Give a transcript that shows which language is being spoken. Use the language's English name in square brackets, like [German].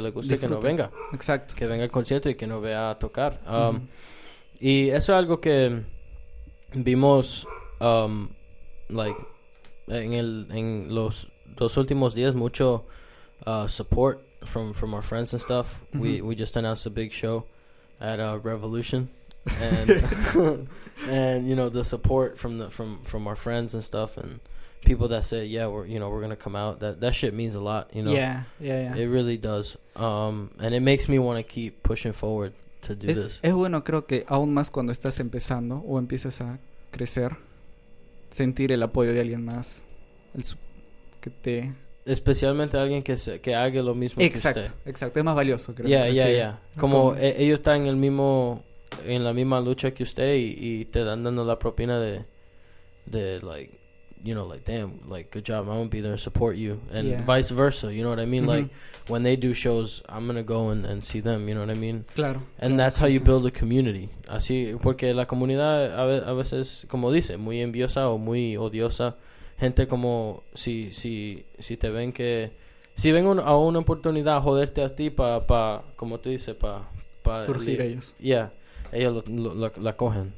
[Spanish] Disfrute. Que no venga. Exacto. Que venga al concierto y que nos vea a tocar. Uh-huh. Y eso es algo que vimos, like, en los dos últimos días, mucho support. [English] From our friends and stuff. Mm-hmm. We just announced a big show at Revolution, and and you know, the support from our friends and stuff and people that said, yeah, we're gonna come out, that shit means a lot, you know. Yeah. It really does. And it makes me want to keep pushing forward to do [Spanish] es, [English] this. [Spanish] Es bueno, creo que aún más cuando estás empezando o empiezas a crecer, sentir el apoyo de alguien más, el que te especialmente alguien que haga lo mismo. Exacto, que usted. Exacto, es más valioso, creo. [English] Yeah. [Spanish] Como ellos están en la misma lucha que usted y te dan dando la propina de [English] like, you know, like, damn, like, good job, I'm gonna be there and support you, and yeah, vice versa, you know what I mean? Mm-hmm. Like, when they do shows, I'm gonna go and see them, you know what I mean? [Spanish] Claro. [English] And yeah, that's how you build a community. [Spanish] Así, porque la comunidad a veces, como dice, muy envidiosa o muy odiosa. Gente como, si te ven que, si ven a una oportunidad a joderte a ti pa, como tú dices, pa surgir ellos. Yeah, ellos la cogen.